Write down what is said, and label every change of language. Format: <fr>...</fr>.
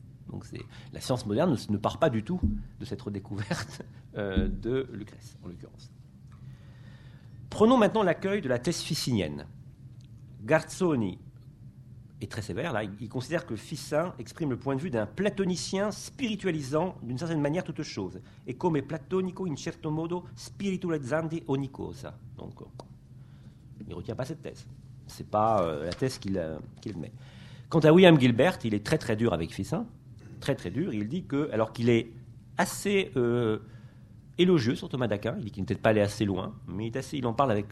<fr>Donc la science moderne ne part pas du tout de cette redécouverte de Lucrèce, en l'occurrence. Prenons maintenant l'accueil de la thèse ficinienne. Garzoni est très sévère, là, il considère que Ficin exprime le point de vue d'un platonicien spiritualisant d'une certaine manière toute chose.</fr> <it>Et come platonico in certo modo spiritualizzandi ogni cosa.</it> <fr>Donc, il ne retient pas cette thèse. Ce n'est pas la thèse qu'il admet. Quant à William Gilbert, il est très très dur avec Ficin, très très dur. Il dit que, alors qu'il est assez élogieux sur Thomas d'Aquin, il dit qu'il n'est peut-être pas allé assez loin, mais il en parle avec.</fr>